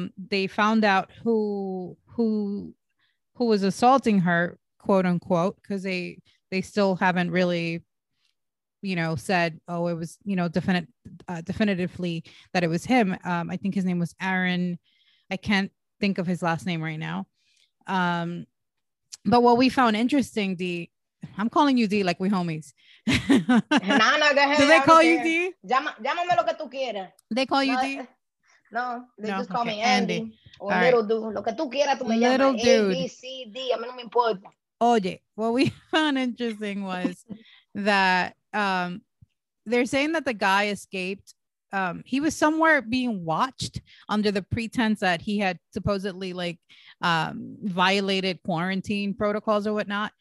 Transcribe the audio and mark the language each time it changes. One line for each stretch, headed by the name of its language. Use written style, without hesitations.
English: They found out who was assaulting her, quote unquote, because they still haven't really, you know, said, oh, it was, you know, definitively that it was him. I think his name was Aaron. I can't think of his last name right now. But what we found interesting, D, I'm calling you D like we homies. No, go ahead. Do they call you D?
Spanish: Llámame lo que tú quieras.
English: They call you D? No, just call me Andy. Or little dude.
Spanish: Lo que tú quieras, tú me llamas. A, B, C, D. A mí no me importa.
English: Oye, what we found interesting was that they're saying that the guy escaped. He was somewhere being watched under the pretense that he had supposedly violated quarantine protocols or whatnot.